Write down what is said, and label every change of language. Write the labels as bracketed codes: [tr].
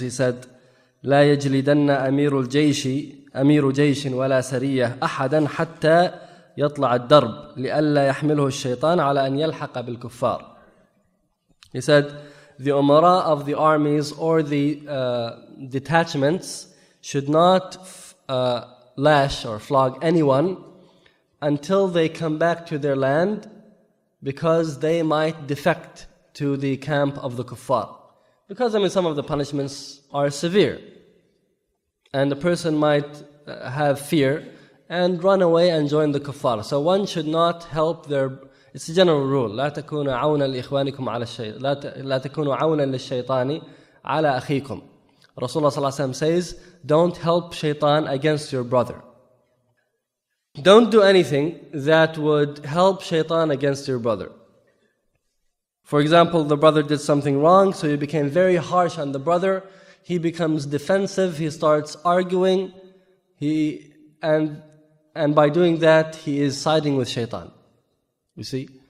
[en] He said, [ar] لا يجلدن أمير الجيش أمير جيش ولا سرية أحدا حتى يطلع الدرب لئلا يحمله الشيطان على أن يلحق بالكفار. [en] He said, the umara of the armies or the detachments should not lash or flog anyone until they come back to their land because they might defect to the camp of the kuffar. Because, I mean, some of the punishments are severe. And a person might have fear and run away and join the kuffar. So one should not help their... It's a general rule. [ar] لا تكونوا عونا لإخوانكم على الشيطان لا تكونوا عونا للشيطان على أخيكم. رسول الله صلى الله عليه وسلم [en] says, don't help shaitan against your brother. Don't do anything that would help shaitan against your brother. For example, the brother did something wrong, so you became very harsh on the brother. He becomes defensive, he starts arguing, and by doing that, he is siding with shaitan. You see?